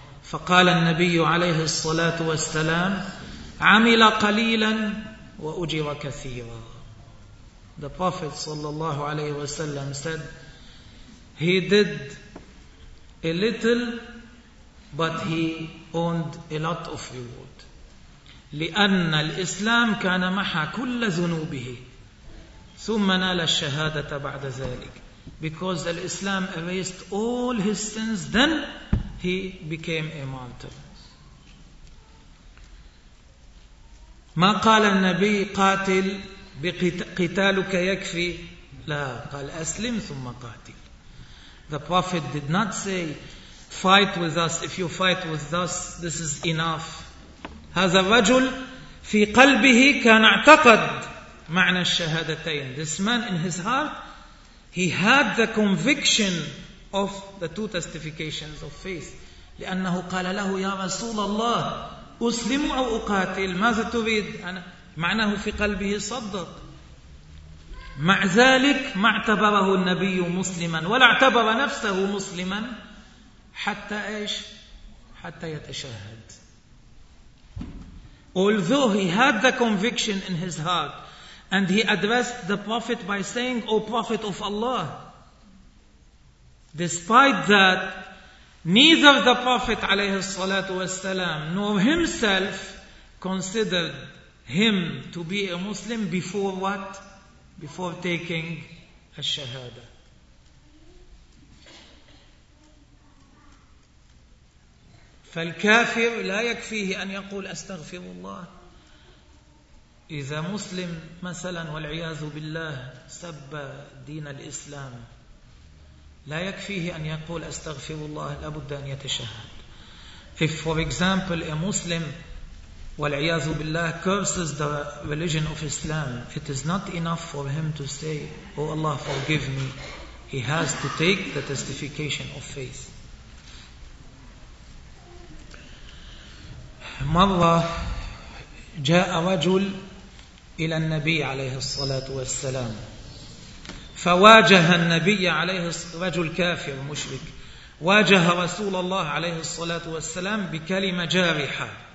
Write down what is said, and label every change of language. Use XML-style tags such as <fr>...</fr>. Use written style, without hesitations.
<ar>فقال النبي عليه الصلاة والسلام عمل قليلا وأجر كثيرا.</ar> <en>The Prophet</en> <ar>صلى الله عليه وسلم</ar> <en>said, he did a little but he earned a lot of reward.</en> <ar>لأن الإسلام كان محا كل ذنوبه ثم نال الشهادة بعد ذلك.</ar> <en>Because the Islam erased all his sins, then he became a martyr.</en> <ar>ما قال النبي قاتل بقتالك يكفي. لا قال أسلم ثم قاتل.</ar> <en>The Prophet did not say, fight with us, if you fight with us, this is enough.</en> <ar>هذا الرجل في قلبه كان اعتقد معنى الشهادتين.</ar> <en>This man in his heart, he had the conviction of the two testifications of faith.</en> <ar>لأنه قال له يا رسول الله أسلم أو أقاتل ماذا تريد؟ معناه في قلبه صدق. مع ذلك ما اعتبره النبي مسلما ولا اعتبر نفسه مسلما حتى إيش؟ حتى يتشهد.</ar> <en>Although he had the conviction in his heart and he addressed the Prophet by saying, O Prophet of Allah, despite that, neither the Prophet</en> <ar>alayhi salatu wasalam</ar> <en>nor himself considered him to be a Muslim before what? Before taking a shahada.</en> <ar>فالكافر لا يكفيه أن يقول أستغفر الله. إذا مسلم مثلا والعياذ بالله سب دين الإسلام لا يكفيه أن يقول أستغفر الله، لابد أن يتشهد.</ar> <en>If for example a Muslim</en> <ar>والعياذ بالله</ar> <en>curses the religion of Islam, it is not enough for him to say, oh Allah forgive me. He has to take the testification of faith.</en> <ar>مرة جاء رجل إلى النبي عليه الصلاة والسلام فواجه النبي عليه رجل كافر مشرك واجه رسول الله عليه الصلاة والسلام بكلمة جارحة.</ar>